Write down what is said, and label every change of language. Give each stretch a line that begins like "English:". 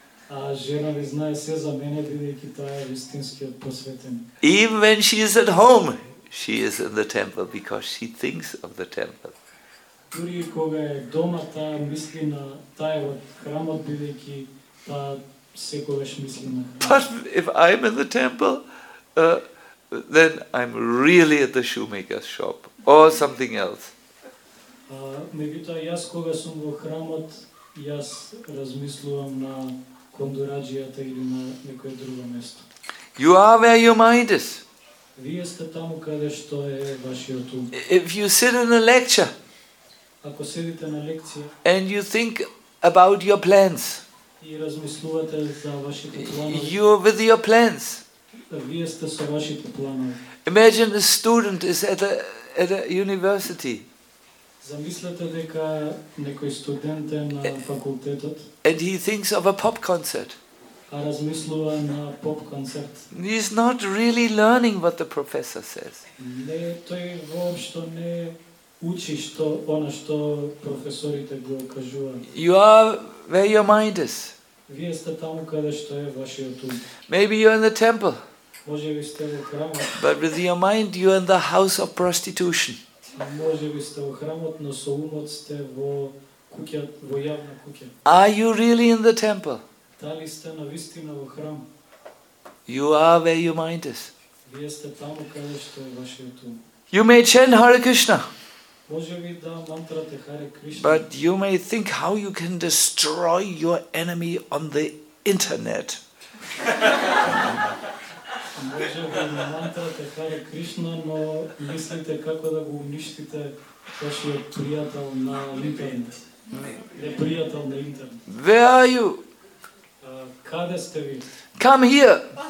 Macedonian: А жена ми знае се за мене, бидејќи таа е вистинскиот посветеник.
English: Even when she is at home, she is in the temple because she thinks of the temple.
Macedonian: Дури кога е дома, таа мисли на тај од храмот, бидејќи таа секогаш мисли на храмот.
English: But if I'm in the temple, then I'm really at the shoemaker's shop or something else.
Macedonian: Меѓутоа јас кога сум во храмот, јас размислувам на кондураџијата или на некое друго место.
English: You are where your mind is.
Macedonian: Вие сте таму каде што е вашиот ум.
English: If you sit in a lecture,
Macedonian: ако седите на лекција,
English: and you think about your plans,
Macedonian: и размислувате за вашите планови,
English: you are with your plans.
Macedonian: Вие сте со вашите планови.
English: Imagine a student is at a university.
Macedonian: Замислете дека некој студент е на факултетот.
English: And he thinks of a pop concert.
Macedonian: А размислува на поп концерт.
English: He's not really learning what the professor says.
Macedonian: Не, тој воопшто не учи што она што професорите го кажуваат.
English: You are where your mind is.
Macedonian: Вие сте таму каде што е вашиот ум.
English: Maybe you're in the temple.
Macedonian: Може би сте во храмот.
English: But with your mind you're in the house of prostitution.
Macedonian: Може би сте во храмот, но со умот сте во куќа, во јавна куќа.
English: Are you really in the temple?
Macedonian: Дали сте на вистина во храм?
English: You are where your mind is.
Macedonian: Вие сте таму каде што е вашиот ум.
English: You may chant Hare Krishna.
Macedonian: Може би да мантрате Hare Krishna.
English: But you may think how you can destroy your enemy on the internet.
Macedonian: Може би да мантрате Hare Krishna, но мислите како да го уништите вашиот пријател на интернет. Пријател на интернет.
English: Where are you?
Macedonian: Каде сте ви?
English: Come here.